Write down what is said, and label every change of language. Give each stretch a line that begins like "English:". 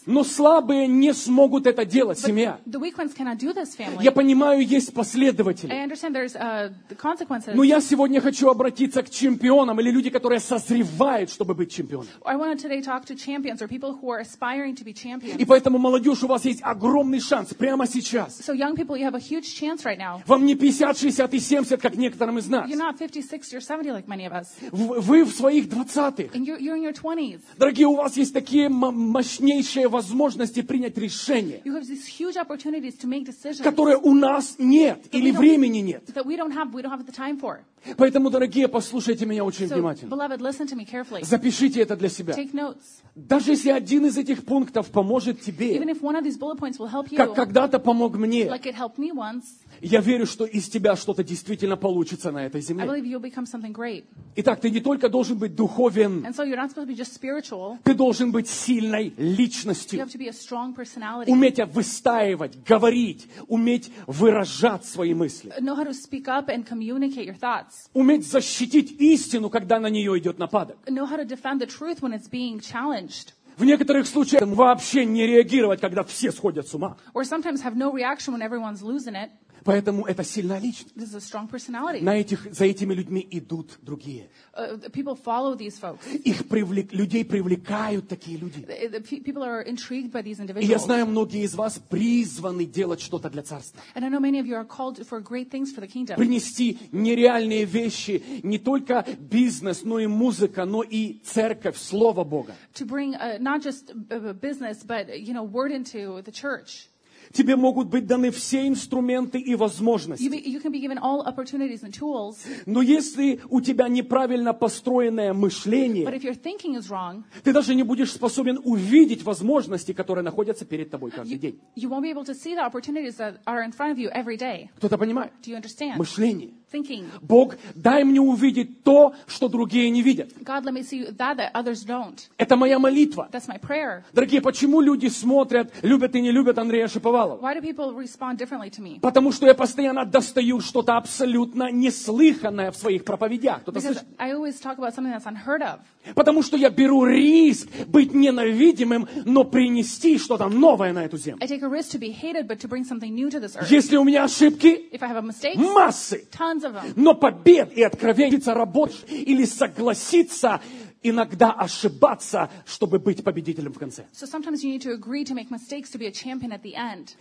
Russian: Но слабые не смогут это делать,
English: But
Russian: семья.
English: The weak ones cannot do this, family.
Russian: Я понимаю, есть последователи.
English: I understand there's, the consequences.
Russian: Но я сегодня хочу обратиться к чемпионам или людям, которые созревают, чтобы быть чемпионом.
English: I wanted today to talk to champions or people who are aspiring to be champions.
Russian: И поэтому, молодежь, у вас есть огромный шанс прямо сейчас.
English: So young people, you have a huge chance right now.
Russian: Вам не 50, 60 и 70, как некоторым из нас.
English: You're not 50, 60 or 70 like many of us.
Russian: Вы в своих 20-х.
English: And you're in your 20s.
Russian: Дорогие, у вас есть такие мощнейшие возможности принять решение,
English: you have these huge opportunities to make decisions,
Russian: которые у нас нет или времени нет.
English: That we don't have the time for.
Russian: Поэтому, дорогие, послушайте меня очень
English: so,
Russian: внимательно.
English: Beloved, listen to me carefully.
Russian: Запишите это для себя.
English: Take notes.
Russian: Даже если один из этих пунктов поможет тебе,
English: Even if one of these bullet points will help you,
Russian: как когда-то помог мне,
English: like it helped me once,
Russian: я верю, что из тебя что-то действительно получится на этой земле.
English: I believe you'll become something great.
Russian: Итак, ты не только должен быть духовен,
English: And so you're not supposed to be just spiritual,
Russian: ты должен быть сильной личностью.
English: You have to be a strong personality.
Russian: Уметь выстаивать, говорить, уметь выражать свои мысли.
English: Know how to speak up and communicate your thoughts.
Russian: Уметь защитить истину, когда на нее идет нападок.
English: Know how to defend the truth when it's being challenged.
Russian: В некоторых случаях вообще не реагировать, когда все сходят с ума.
English: Or sometimes have no reaction when everyone's losing it.
Russian: Поэтому это сильная личность.
English: This is a strong personality.
Russian: За этими людьми идут другие.
English: People follow these folks.
Russian: Людей привлекают такие люди.
English: People are intrigued by these individuals.
Russian: И я знаю, многие из вас призваны делать что-то для царства.
English: And I know many of you are called for great things for the kingdom.
Russian: Принести нереальные вещи, не только бизнес, но и музыка, но и церковь, слово Бога.
English: To bring not just business, but you know, word into the church.
Russian: Тебе могут быть даны все инструменты и возможности.
English: You can be given all opportunities and tools,
Russian: но если у тебя неправильно построенное мышление,
English: but if your thinking is wrong,
Russian: ты даже не будешь способен увидеть возможности, которые находятся перед тобой каждый день.
English: You won't be able to see the opportunities that are in front of you every day.
Russian: Кто-то понимает?
English: Do you understand?
Russian: Мышление.
English: Thinking.
Russian: Бог, дай мне увидеть то, что другие не видят.
English: God, let me see that, that others don't.
Russian: Это моя молитва.
English: That's my prayer.
Russian: Дорогие, почему люди смотрят, любят и не любят Андрея Шаповалова?
English: Why do people respond differently to me?
Russian: Потому что я постоянно достаю что-то абсолютно неслыханное в своих проповедях. Кто-то
English: Because
Russian: слышит?
English: I always talk about something that's unheard of.
Russian: Потому что я беру риск быть ненавидимым, но принести что-то новое на эту землю.
English: I take a risk to be hated, but to bring something new to this earth.
Russian: Если у меня ошибки,
English: If I have a mistake,
Russian: массы,
English: tons of them.
Russian: Но побед и откровений, работать или согласиться иногда ошибаться, чтобы быть победителем в конце.
English: So sometimes you need to agree to make mistakes to be a champion at the end.